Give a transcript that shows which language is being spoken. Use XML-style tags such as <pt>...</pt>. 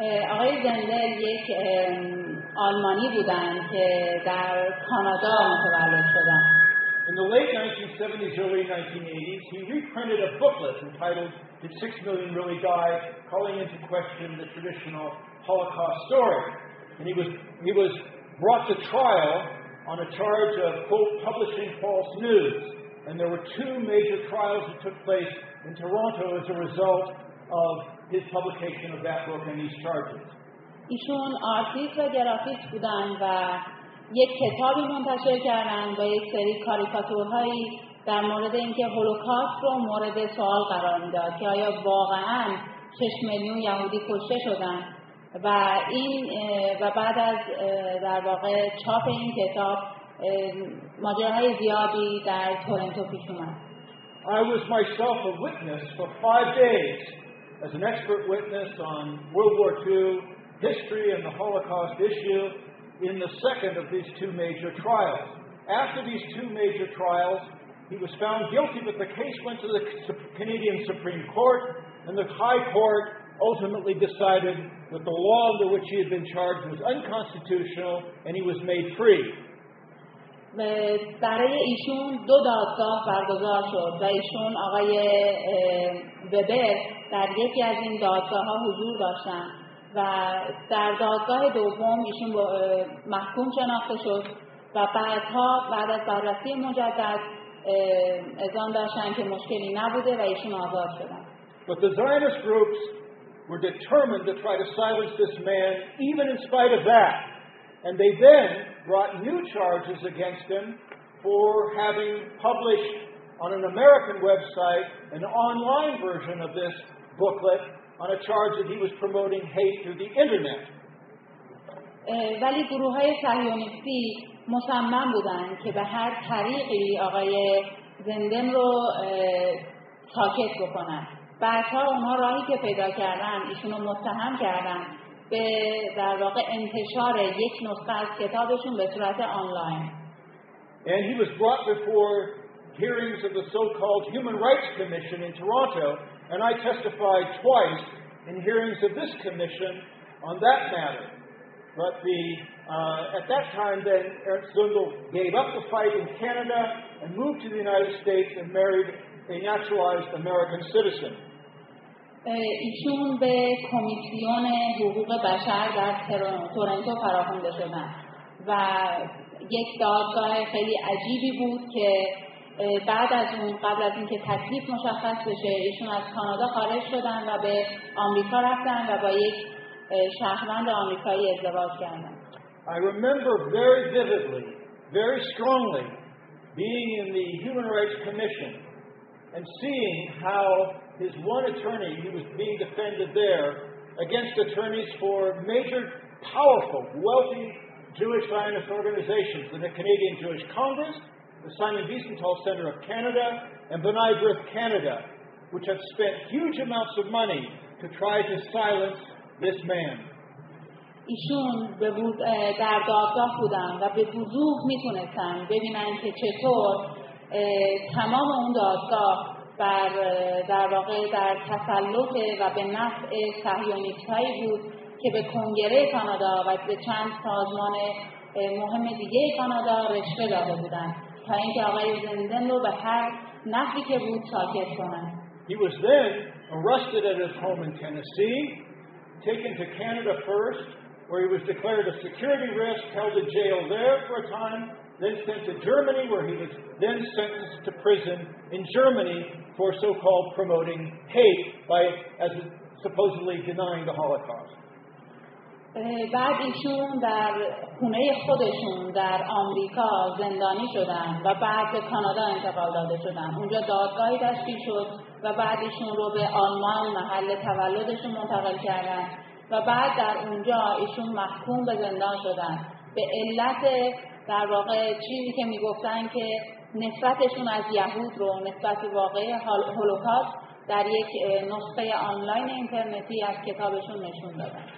<fa>آقای زندل یک آلمانی بودن که در کانادا متولد شدن.</fa> <en>In the late 1970s, early 1980s, he reprinted a booklet entitled Did 6 Million Really Die? Calling into question the traditional Holocaust story. And he was brought to trial on a charge of, quote, publishing false news. And there were two major trials that took place in Toronto as a result of his publication of that book and these charges.</en> <fa>ایشون آرتیست و گرافیست بودن و یک کتابی منتشر کردن با یک سری کاریکاتورهایی در مورد اینکه هولوکاست رو مورد سوال قرار میداد که آیا واقعا 6 میلیون یهودی کشته شدن و این و بعد از در واقع چاپ این کتاب ماجراهای زیادی در تورنتو پیش اومد.</fa> <en>I was myself a witness for 5 days as an expert witness on World War II history and the Holocaust issue in the second of these two major trials. After these two major trials, he was found guilty, but the case went to the Canadian Supreme Court, and the High Court ultimately decided that the law under which he had been charged was unconstitutional, and he was made free.</en> <fa>برای ایشون دو دادگاه برگزار شد و ایشون آقای وبر در یکی از این دادگاه ها حضور داشتن و در دادگاه دوم ایشون محکوم شناخته شد و بعدها بعد از بررسی مجدد اعلام داشتن که مشکلی نبوده و ایشون آزاد شدن.</fa> <en>But the Zionist groups were determined to try to silence this man even in spite of that. And they then brought new charges against him for having published on an American website an online version of this booklet on a charge that he was promoting hate through the internet.</en> <fa>ولی گروه‌های صهیونیستی مصمم بودند که به هر طریقی آقای زندل رو ساکت بکنن. بعدها اونها راهی که پیدا کردن ایشونو متهم کردن به در واقع انتشار یک نسخه از کتابشون به صورت آنلاین.</fa> <en>And he was brought before hearings of the so-called Human Rights Commission in Toronto, and I testified twice in hearings of this commission on that matter. But the at that time, then Ernst Zundel gave up the fight in Canada and moved to the United States and married a naturalized American citizen.</en> <fa>ایشون به کمیسیون حقوق بشر در تورنتو فراخوانده شدن و یک دادگاه خیلی عجیبی بود که بعد از اون قبل از اینکه تکلیف مشخص بشه ایشون از کانادا خارج شدن و به آمریکا رفتن و با یک شهروند آمریکایی ازدواج کردن.</fa> <en>I remember very vividly, very strongly being in the Human Rights Commission and seeing how his one attorney, he was being defended there against attorneys for major, powerful, wealthy Jewish Zionist organizations, the Canadian Jewish Congress, the Simon Wiesenthal Center of Canada, and B'nai B'rith Canada, which had spent huge amounts of money to try to silence this man.</en> <fa>ایشون به بود در دادگاه بودن و به وضوح میتونستن ببینن که چطور تمام اون دادگاه بر در واقع در تسلط و به نفع صهیونیست‌های بود که به کنگره کانادا و به چند سازمان مهم دیگه کانادا رشوه داده بودن تا اینکه آقای زندن رو به هر نفعی که بود ساکت کنن.</fa> <en>He was then arrested at his home in Tennessee, taken to Canada first, where he was declared a security risk, held in jail there for a time, then sent to Germany, where he was then sentenced to prison in Germany for so-called promoting hate by as supposedly denying the Holocaust.</en> <fa>بعد ایشون در خونه خودشون در آمریکا زندانی شدن و بعد به کانادا انتقال داده شدن. اونجا دادگاهی تشکیل شد و بعد ایشون رو به آلمان محل تولدشون منتقل کردن. و بعد در اونجا ایشون محکوم به زندان شدن به علت در واقع چیزی که میگفتن که نفرتشون از یهود رو نسبت واقعی هولوکاست در یک نسخه آنلاین اینترنتی از کتابشون نشون دادن.</fa>